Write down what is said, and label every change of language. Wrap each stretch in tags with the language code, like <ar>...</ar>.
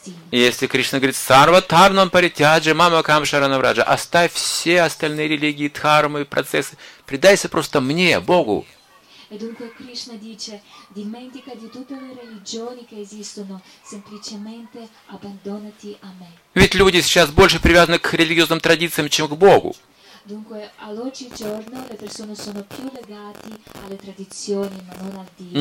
<ru>И если Кришна говорит</ru> <sa>«Сарва тарнам паритяджи мама кам шаранавраджа»,</sa> <ru>оставь все остальные религии, дхармы, процессы, предайся просто мне, Богу.</ru> <it>E dunque Krishna dice, dimentica di tutte le religioni che esistono, semplicemente abbandonati a me.</it> <ru>Ведь люди сейчас больше привязаны к религиозным традициям, чем к Богу.</ru> <it>Dunque, all'oggigiorno le persone sono più legati alle tradizioni, ma non al Dio.</it>